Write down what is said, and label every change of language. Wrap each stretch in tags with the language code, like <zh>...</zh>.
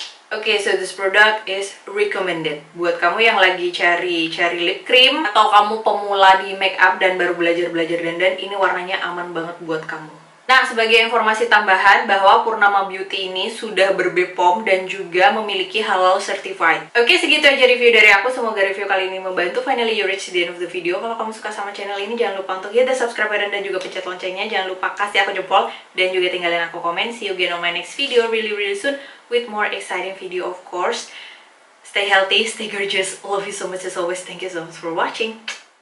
<en>Oke, so this product is recommended.</en> <id>Buat kamu yang lagi cari lip cream atau kamu pemula di make up dan baru belajar dandan, ini warnanya aman banget buat kamu. Nah, sebagai informasi tambahan bahwa Purnama Beauty ini sudah ber-BPOM dan juga memiliki halal certified. Oke, segitu aja review dari aku. Semoga review kali ini membantu.</id> <en>Finally, you reach the end of the video.</en> <id>Kalau kamu suka sama channel ini, jangan lupa untuk</id> <en>hit the subscribe button</en> <id>dan juga pencet loncengnya. Jangan lupa kasih aku jempol dan juga tinggalin aku komen.</id> <en>See you again on my next video really, really soon with more exciting video, of course. Stay healthy, stay gorgeous. Love you so much as always. Thank you so much for watching. Bye!</en>